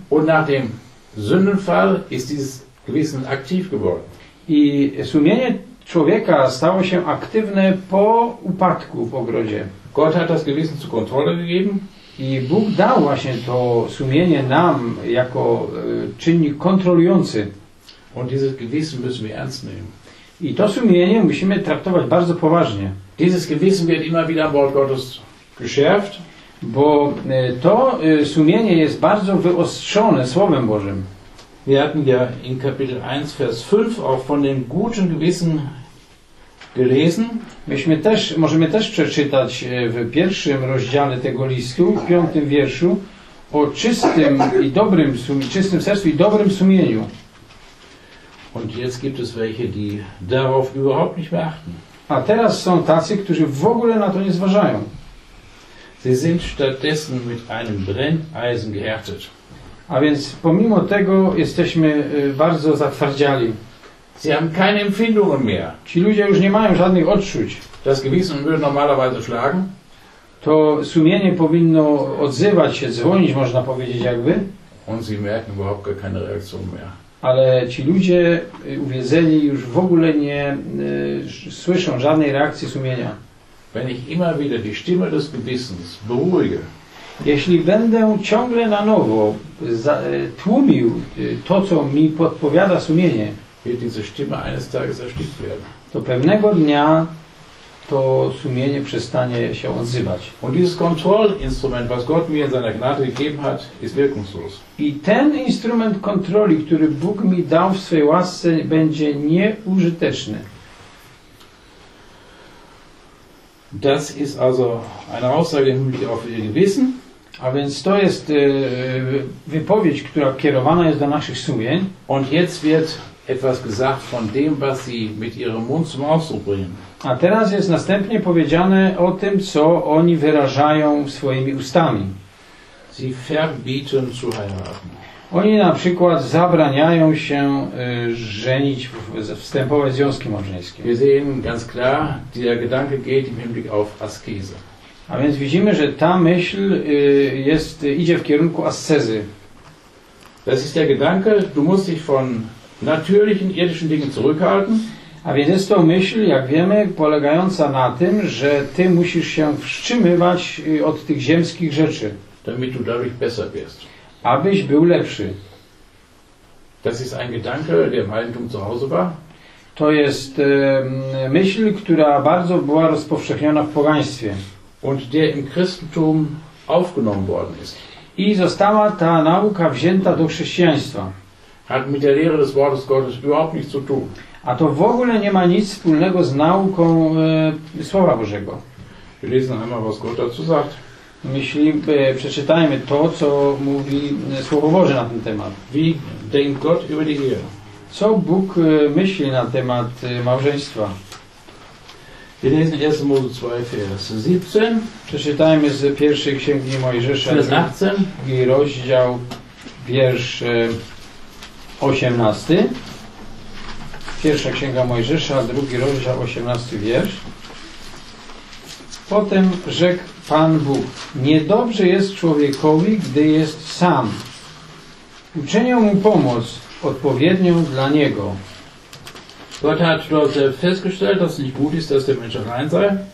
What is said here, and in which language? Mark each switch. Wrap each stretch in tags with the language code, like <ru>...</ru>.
<de>Und nach dem Sündenfall ist dieses Gewissen aktiv geworden.</de> <pl>I sumienie człowieka stało się aktywne po upadku w ogrodzie.</pl> <de>Gott hat das Gewissen zur Kontrolle gegeben.</de> <pl>I Bóg dał właśnie to sumienie nam jako czynnik kontrolujący.</pl> <de>Und dieses Gewissen müssen wir ernst nehmen.</de> <pl>I to sumienie musimy traktować bardzo poważnie.</pl> <de>Dieses Gewissen wird immer wieder Wort Gottes geschärft.</de> <pl>Bo to sumienie jest bardzo wyostrzone Słowem Bożym.</pl> <de>Wir hatten ja in Kapitel 1, Vers 5 auch von dem guten Gewissen gelesen.</de> <pl>Myśmy też, możemy też przeczytać w pierwszym rozdziale tego listu, w piątym wierszu, o czystym i dobrym czystym sercu i dobrym sumieniu.</pl> <de>Und jetzt gibt es welche, die darauf überhaupt nicht mehr achten.</de> <pl>A teraz są tacy, którzy w ogóle na to nie zważają.</pl> <de>Sie sind stattdessen mit einem Brenneisen gehärtet.</de> <pl>A więc pomimo tego jesteśmy bardzo zatwardziali.</pl> <de>Sie haben keine Empfindungen mehr.</de> <pl>Ci ludzie już nie mają żadnych odczuć.</pl> <de>Das Gewissen würde normalerweise schlagen.</de> <pl>To sumienie powinno odzywać się, dzwonić, można powiedzieć jakby.</pl> <de>Und sie merken überhaupt gar keine Reaktion mehr.</de> <pl>Ale ci ludzie uwiedzeni już w ogóle nie słyszą żadnej reakcji sumienia.</pl> <de>Wenn ich immer wieder die Stimme des Gewissens beruhige.</de> <pl>Jeśli będę ciągle na nowo tłumił to, co mi podpowiada sumienie,</pl> <de>wird diese Stimme eines Tages erstickt werden.</de> <pl>To pewnego dnia to sumienie przestanie się odzywać.</pl> <de>Und dieses Kontrollinstrument, was Gott mir in seiner Gnade gegeben hat, ist wirkungslos.</de> <pl>I ten instrument kontroli, który Bóg mi dał w swej łasce, będzie nieużyteczny.</pl> <de>Das ist also eine Aussage im Hinblick auf Ihr Gewissen.</de> <pl>A więc to jest wypowiedź, która kierowana jest do naszych sumień.</pl> <de>Und jetzt wird etwas gesagt von dem, was sie mit ihrem Mund zum Ausdruck bringen.</de> <pl>A teraz jest następnie powiedziane o tym, co oni wyrażają swoimi ustami.</pl> <de>Sie verbieten zu heiraten.</de> <pl>Oni na przykład zabraniają się żenić, wstępować w związki małżeńskie.</pl> <de>Wir sehen ganz klar, der Gedanke geht im Hinblick auf Askese.</de> <pl>A więc widzimy, że ta myśl jest, idzie w kierunku ascezy.</pl> <de>Das ist der Gedanke, du musst dich von natürlichen irdischen Dingen zurückhalten.</de> <pl>A więc jest to myśl, jak wiemy, polegająca na tym, że ty musisz się wstrzymywać od tych ziemskich rzeczy.</pl> <de>Damit du dadurch besser wirst.</de> <pl>Abyś był lepszy.</pl> <de>Das ist ein Gedanke, der im Heidentum zu Hause war.</de> <pl>To jest myśl, która bardzo była rozpowszechniona w pogaństwie.</pl> <de>Und der im Christentum aufgenommen worden ist.</de> <pl>I została ta nauka wzięta do chrześcijaństwa.</pl> <de>Hat mit der Lehre des Wortes Gottes überhaupt nichts zu tun.</de> <pl>A to w ogóle nie ma nic wspólnego z nauką Słowa Bożego.</pl> <de>Wir lesen einmal, was Gott dazu sagt.</de> <pl>Myśli, przeczytajmy to, co mówi Słowo Boże na ten temat.</pl> <de>Wie denkt Gott über die Ehe?</de> <pl>Co Bóg myśli na temat małżeństwa?</pl> <de>Wir lesen 1. Mose 2, Vers 17.</de> <pl>Przeczytajmy z pierwszej Księgi Mojżesza.</pl> <de>Vers 18.</de> <pl>I rozdział, wiersz 18. Pierwsza Księga Mojżesza, drugi rozdział, 18 wiersz. Potem rzekł Pan Bóg: niedobrze jest człowiekowi, gdy jest sam. Uczynię mu pomoc odpowiednią dla niego.</pl> <de>Gott hat dort festgestellt, dass es nicht gut ist, dass der Mensch allein sei.</de>